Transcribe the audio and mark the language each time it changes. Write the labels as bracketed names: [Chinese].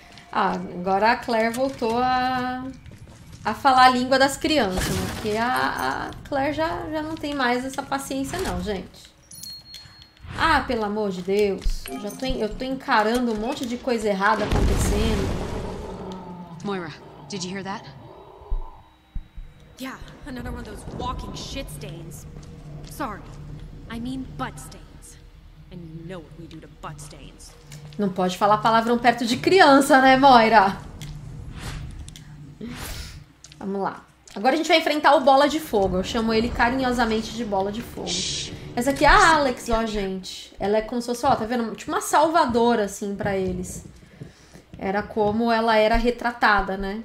[Portuguese] Ah, agora a Claire voltou a falar a língua das crianças, né? Porque a Claire já não tem mais essa paciência não, gente. Ah, pelo amor de Deus, eu tô encarando um monte de coisa errada acontecendo. [English] Moira, did you hear that? Yeah, another one of those walking shit stains. Sorry, I mean butt stains. And you know what we do to butt stains. [Portuguese] Não pode falar palavrão perto de criança, né, Moira? Vamos lá. Agora a gente vai enfrentar o Bola de Fogo. Eu chamo ele carinhosamente de Bola de Fogo. Essa aqui é a Alex, ó, gente. Ela é como se fosse, ó, tá vendo? Tipo uma salvadora, assim, pra eles. Era como ela era retratada, né?